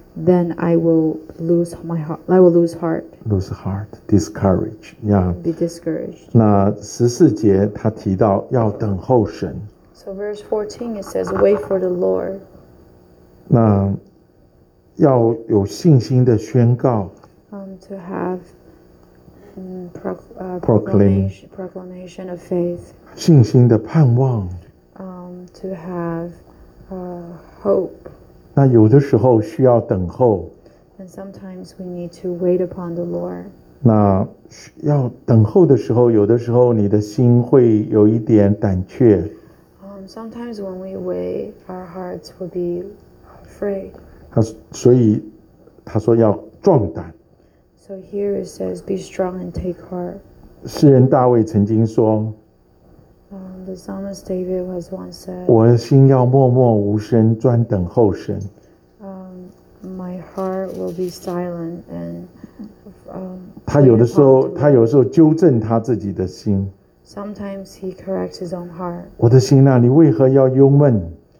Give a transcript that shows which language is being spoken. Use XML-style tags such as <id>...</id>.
<en>Then I will lose my heart. I will lose heart. Lose heart. Discourage. Yeah. Be discouraged.</en> <zh>那十四节他提到要等候神。</zh> <en>So verse 14 it says, wait for the Lord.</en> <zh>那要有信心的宣告。</zh> <en>To have proclamation of faith.</en> <zh>信心的盼望。</zh> <en>To have hope.</en> <zh>那有的时候需要等候。</zh> <en>And sometimes we need to wait upon the Lord.</en> <zh>那要等候的时候，有的时候你的心会有一点胆怯。</zh> <en>Sometimes when we wait, our hearts will be afraid.</en> <zh>所以他说要壮胆。</zh> <en>So here it says, be strong and take heart.</en> <zh>诗人大卫曾经说。</zh> <en>The psalmist David was once said,</en> <zh>我的心要默默无声，专等候神。</zh> <en>My heart will be silent and.</en> <zh>他有的时候纠正他自己的心。</zh> <en>Sometimes he corrects his own heart.</en> <zh>我的心啊，你为何要忧闷？</zh>